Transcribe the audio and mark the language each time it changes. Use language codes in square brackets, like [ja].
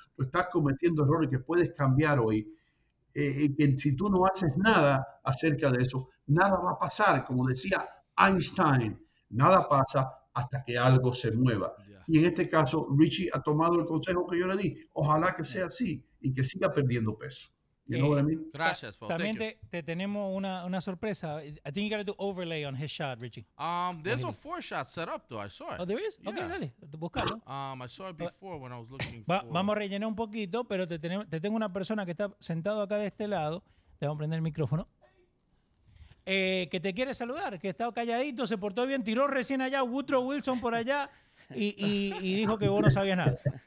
[es] Tú estás cometiendo errores que puedes cambiar hoy. Que si tú no haces nada acerca de eso, nada va a pasar. Como decía Einstein, nada pasa hasta que algo se mueva. [en] Yeah. [es] Y en este caso, Richie ha tomado el consejo que yo le di. Ojalá que sea así y que siga perdiendo peso. Gracias, Paul. También te tenemos una sorpresa. [en] I think you got to do overlay on his shot, Richie. There's a four shot set up, though. I saw it. Oh, there is? Yeah. Okay, [es] dale. Buscalo. [en] I saw it before when I was looking [es] Vamos a rellenar un poquito, pero te tengo una persona que está sentado acá de este lado. Le vamos a prender el micrófono. Que te quiere saludar, que ha estado calladito, se portó bien, tiró recién allá Woodrow Wilson por allá y dijo que vos no sabías nada.